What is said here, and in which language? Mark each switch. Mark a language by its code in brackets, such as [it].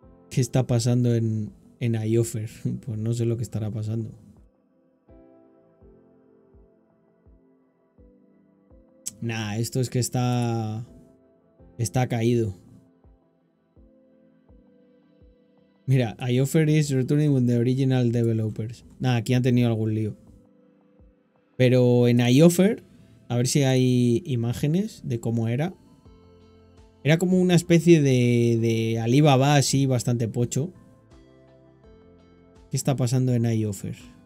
[es] ¿Qué está pasando en iOffer? Pues no sé lo que estará pasando. Nah, esto es que está caído. Mira, [en] iOffer is returning with the original developers. [es] Nah, aquí han tenido algún lío. Pero en iOffer, a ver si hay imágenes de cómo era. Era como una especie de Alibaba así, bastante pocho. ¿Qué está pasando en iOffer?